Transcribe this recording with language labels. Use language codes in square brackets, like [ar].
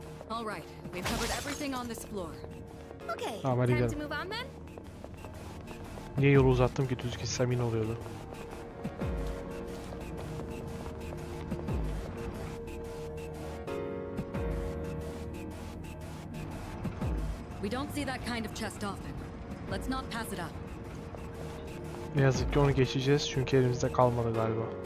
[en] All right, we've covered everything on this floor. Okay. Time to move on then. [tr] Niye yolu uzattım ki, düz gitsem yine oluyordu. [en] We don't see that kind of chest often. Let's not pass it up. [tr] Ne yazık ki onu geçeceğiz çünkü elimizde kalmadı galiba.